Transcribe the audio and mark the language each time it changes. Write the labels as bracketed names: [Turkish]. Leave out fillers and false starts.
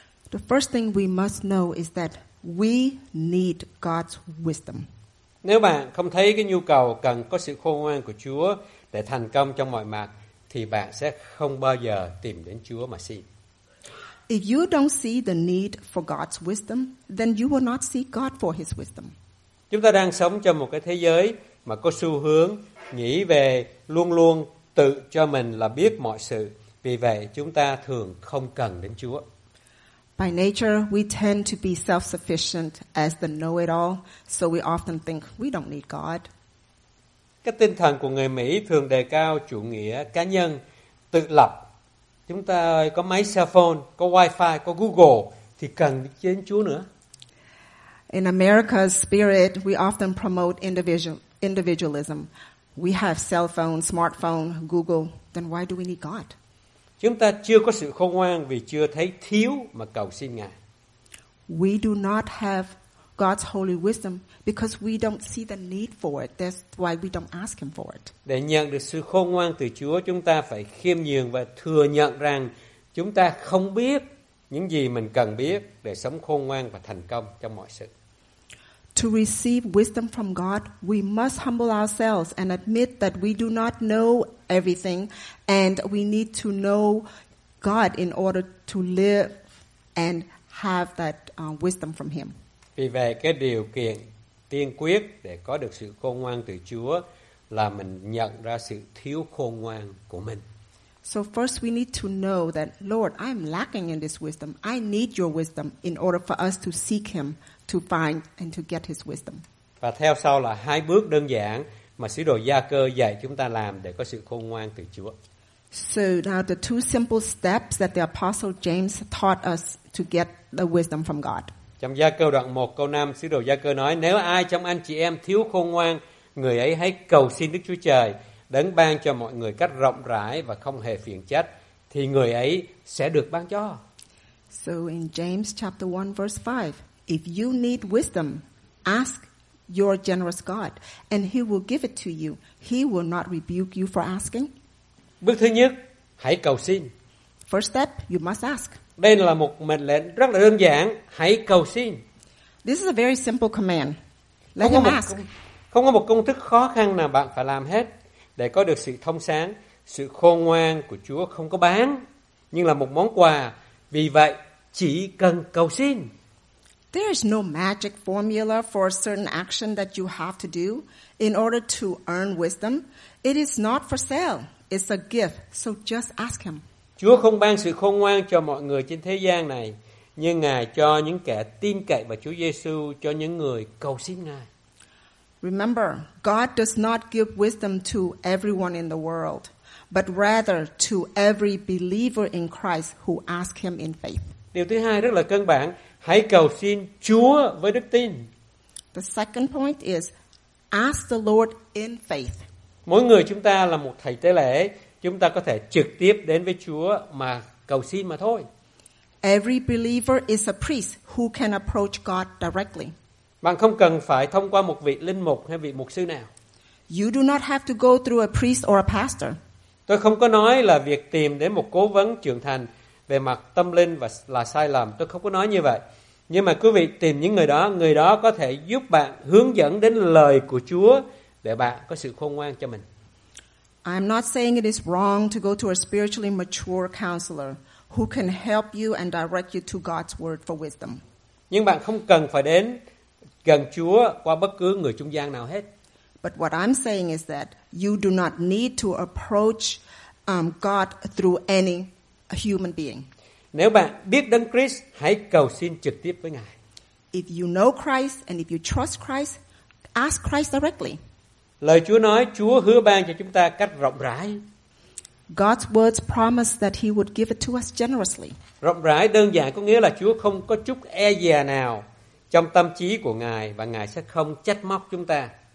[English] The first thing we must know is that we need God's wisdom. [Vietnamese] Nếu bạn không thấy cái nhu cầu cần có sự khôn ngoan của Chúa để thành công trong mọi mặt thì bạn sẽ không bao giờ tìm đến Chúa mà xin. [English] If you don't see the need for God's wisdom, then you will not seek God for his wisdom. [Vietnamese] Chúng ta đang sống trong một cái thế giới mà có xu hướng nghĩ về luôn luôn tự cho mình là biết mọi sự. Vì vậy, chúng ta thường không cần đến Chúa. [English] By nature, we tend to be self-sufficient as the know-it-all, so we often think we don't need God. [Vietnamese] Cái tinh thần của người Mỹ thường đề cao chủ nghĩa cá nhân, tự lập. Chúng ta có máy cell phone, có wifi, có Google, thì cần đến Chúa nữa. [English] In America's spirit, we often promote individualism. We have cell phone, smartphone, Google. Then why do we need God? [Vietnamese] Chúng ta chưa có sự khôn ngoan vì chưa thấy thiếu mà cầu xin Ngài. [English] We do not have God's holy wisdom because we don't see the need for it. That's why we don't ask him for it. [Vietnamese] Để nhận được sự khôn ngoan từ Chúa, chúng ta phải khiêm nhường và thừa nhận rằng chúng ta không biết những gì mình cần biết để sống khôn ngoan và thành công trong mọi sự. [English] To receive wisdom from God, we must humble ourselves and admit that we do not know everything and we need to know God in order to live and have that wisdom from him. [Vietnamese] Vì vậy, cái điều kiện tiên quyết để có được sự khôn ngoan từ Chúa là mình nhận ra sự thiếu khôn ngoan của mình. [English] So first we need to know that, Lord, I'm lacking in this wisdom. I need your wisdom in order for us to seek him, to find and to get his wisdom. [Vietnamese] Và theo sau là hai bước đơn giản mà sứ đồ Gia Cơ dạy chúng ta làm để có sự khôn ngoan từ Chúa. [English] So now the two simple steps that the Apostle James taught us to get the wisdom from God. [Vietnamese] Trong Gia Cơ đoạn 1 câu 5, sứ đồ Gia Cơ nói, nếu ai trong anh chị em thiếu khôn ngoan, người ấy hãy cầu xin Đức Chúa Trời, đấng ban cho mọi người cách rộng rãi và không hề phiền chết, thì người ấy sẽ được ban cho. [English] So in James chapter 1 verse 5, if you need wisdom, ask your generous God, and he will give it to you. He will not rebuke you for asking. [Vietnamese] Bước thứ nhất, hãy cầu xin. [English] First step, you must ask. [Vietnamese] Đây là một mệnh lệnh rất là đơn giản, hãy cầu xin. [English] This is a very simple command. Let him ask. [Vietnamese] Không có một công thức khó khăn nào bạn phải làm hết để có được sự thông sáng, sự khôn ngoan của Chúa không có bán, nhưng là một món quà. Vì vậy, chỉ cần cầu xin. [English] There is no magic formula for a certain action that you have to do in order to earn wisdom. It is not for sale. It's a gift. So just ask him. [Vietnamese] Chúa không ban sự khôn ngoan cho mọi người trên thế gian này, nhưng Ngài cho những kẻ tin cậy vào Chúa Giêsu, cho những người cầu xin Ngài. [English] Remember, God does not give wisdom to everyone in the world, but rather to every believer in Christ who asks him in faith. [Vietnamese] Điều thứ hai rất là cơ bản, hãy cầu xin Chúa với đức tin. [English] The second point is ask the Lord in faith. [Vietnamese] Mỗi người chúng ta là một thầy tế lễ, chúng ta có thể trực tiếp đến với Chúa mà cầu xin mà thôi. [English] Every believer is a priest who can approach God directly. [Vietnamese] Bạn không cần phải thông qua một vị linh mục hay vị mục sư nào. [English] You do not have to go through a priest or a pastor. [Vietnamese] Tôi không có nói là việc tìm đến một cố vấn trưởng thành về mặt tâm linh và là sai lầm. Tôi không có nói như vậy. Nhưng mà quý vị tìm những người đó có thể giúp bạn hướng dẫn đến lời của Chúa để bạn có sự khôn ngoan cho mình. [English] I'm not saying it is wrong to go to a spiritually mature counselor who can help you and direct you to God's word for wisdom. [Vietnamese] Nhưng bạn không cần phải đến gần Chúa qua bất cứ người trung gian nào hết. [English] But what I'm saying is that you do not need to approach God through any human being. [Vietnamese] Nếu bạn biết Đấng Christ, hãy cầu xin trực tiếp với Ngài. [English] If you know Christ and if you trust Christ, ask Christ directly. [Vietnamese] Lời Chúa nói, Chúa hứa ban cho chúng ta cách rộng rãi. [English] God's words promise that he would give it to us generously. [Vietnamese] Rộng rãi đơn giản có nghĩa là Chúa không có chút e dè nào trong tâm trí của Ngài và Ngài sẽ không trách móc chúng ta.